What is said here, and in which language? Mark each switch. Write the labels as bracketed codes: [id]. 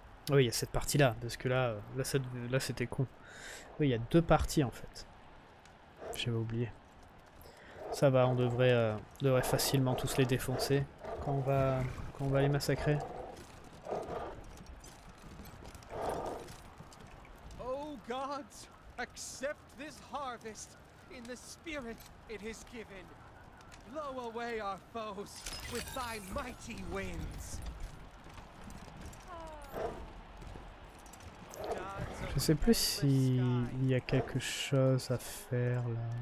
[fr] Oui, il y a cette partie là, parce que là c'était con. Oui, il y a deux parties en fait. J'avais oublié. Ça va, on devrait facilement tous les défoncer quand on va les massacrer. [en] Oh gods, accept this harvest in the spirit it is given. Blow away our foes with thy mighty winds. [fr] Je sais plus s'il y a quelque chose à faire là.